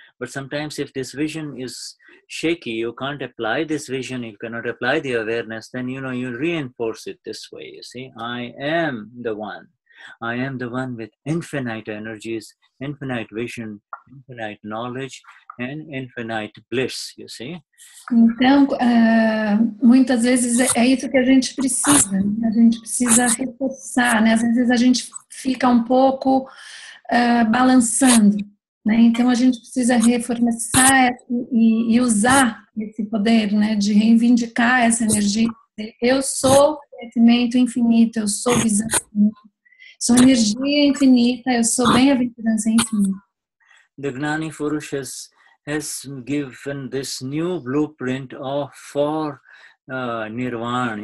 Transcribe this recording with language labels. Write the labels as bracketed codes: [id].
[en] But sometimes if this vision is shaky, you can't apply this vision, you cannot apply the awareness, then you know, you reinforce it this way, you see. I am the one. I am the one with infinite energies, infinite vision, infinite knowledge, and infinite bliss, you see? [pt] Então, muitas vezes é isso que a gente precisa. A gente precisa reforçar, né? Às vezes a gente fica um pouco balançando, né? Então, a gente precisa reforçar e usar esse poder, né? De reivindicar essa energia. Eu sou conhecimento infinito, eu sou visão infinita. Sou energia infinita, eu sou bem-aventurança infinita. [en] The Gnani Purush has given this new blueprint for Nirvana.